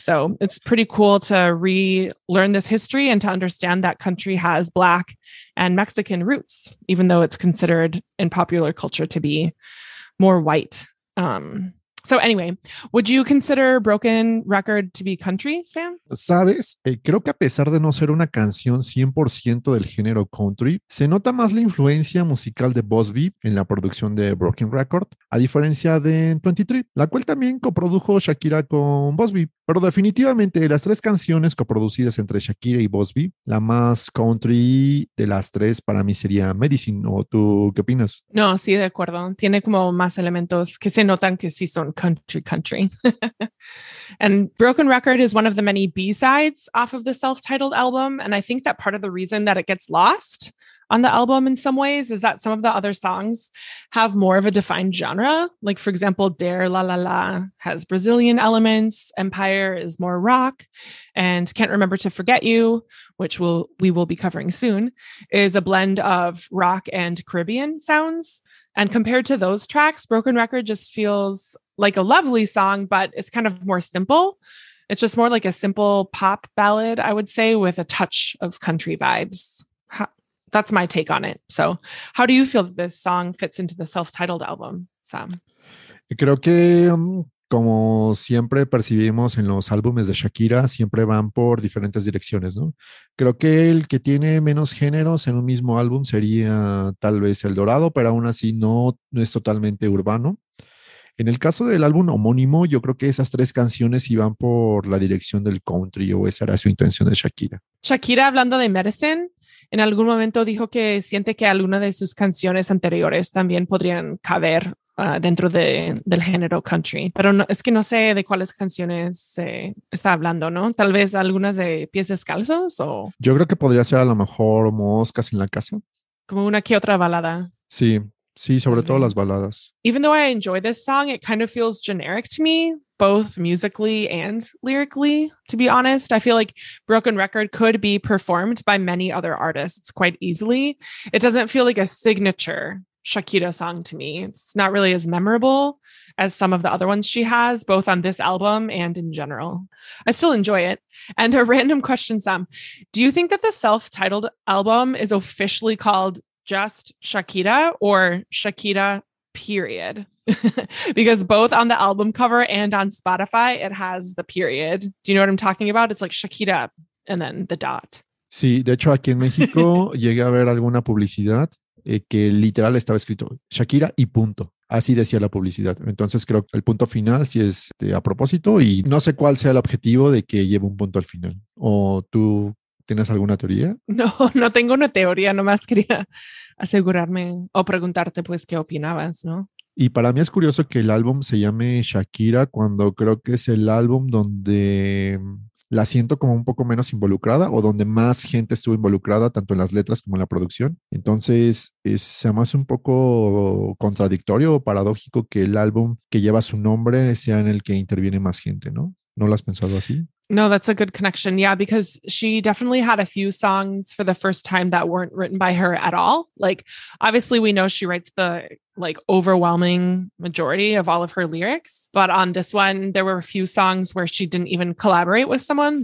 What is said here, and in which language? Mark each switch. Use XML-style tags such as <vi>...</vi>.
<en>So it's pretty cool to relearn this history and to understand that country has Black and Mexican roots, even though it's considered in popular culture to be more white. So anyway, would you consider Broken Record to be country, Sam?</en> <es>Sabes, creo que a pesar de no ser una canción 100% del género country, se nota más la influencia musical de Busby en la producción de Broken Record, a diferencia de 23, la cual también coprodujo Shakira con Busby. Pero definitivamente, las tres canciones coproducidas entre Shakira y Busby, la más country de las tres para mí sería Medicine, ¿o tú qué opinas? No, sí, de acuerdo. Tiene como más elementos que se notan que sí son country, country.</es> <en>And Broken Record is one of the many B-sides off of the self-titled album. And I think that part of the reason that it gets lost on the album in some ways is that some of the other songs have more of a defined genre. Like, for example, Dare La La La has Brazilian elements, Empire is more rock, and Can't Remember to Forget You, which we will be covering soon, is a blend of rock and Caribbean sounds. And compared to those tracks, Broken Record just feels like a lovely song, but it's kind of more simple. It's just more like a simple pop ballad, I would say, with a touch of country vibes. That's my take on it. So how do you feel that this song fits into the self-titled album, Sam?</en> <es>Creo que como siempre percibimos en los álbumes de Shakira, siempre van por diferentes direcciones, ¿no? Creo que el que tiene menos géneros en un mismo álbum sería tal vez El Dorado, pero aún así no es totalmente urbano. En el caso del álbum homónimo, yo creo que esas tres canciones iban por la dirección del country, o esa era su intención de Shakira. Shakira, hablando de Medicine, en algún momento dijo que siente que alguna de sus canciones anteriores también podrían caber dentro del género country. Pero no, es que no sé de cuáles canciones se está hablando, ¿no? Tal vez algunas de Pies Descalzos o... Yo creo que podría ser a lo mejor Moscas en la Casa. Como una que otra balada. Sí. Sí, sobre todo las baladas.</es> <en>Even though I enjoy this song, it kind of feels generic to me, both musically and lyrically, to be honest. I feel like Broken Record could be performed by many other artists quite easily. It doesn't feel like a signature Shakira song to me. It's not really as memorable as some of the other ones she has, both on this album and in general. I still enjoy it. And a random question, Sam. Do you think that the self-titled album is officially called just Shakira or Shakira period? Because both on the album cover and on Spotify, it has the period. Do you know what I'm talking about? It's like Shakira and then the dot.</en> <es>Sí, de hecho, aquí en México llegué a ver alguna publicidad que literal estaba escrito Shakira y punto. Así decía la publicidad. Entonces creo que el punto final sí es a propósito y no sé cuál sea el objetivo de que lleve un punto al final. O tú... ¿Tienes alguna teoría? No tengo una teoría, nomás quería asegurarme o preguntarte pues qué opinabas, ¿no? Y para mí es curioso que el álbum se llame Shakira cuando creo que es el álbum donde la siento como un poco menos involucrada o donde más gente estuvo involucrada, tanto en las letras como en la producción. Entonces, se me hace un poco contradictorio o paradójico que el álbum que lleva su nombre sea en el que interviene más gente, ¿no? ¿No lo has pensado así?</es> <en>No, that's a good connection. Yeah, because she definitely had a few songs for the first time that weren't written by her at all. Like, obviously, we know she writes the like overwhelming majority of all of her lyrics. But on this one, there were a few songs where she didn't even collaborate with someone.</en>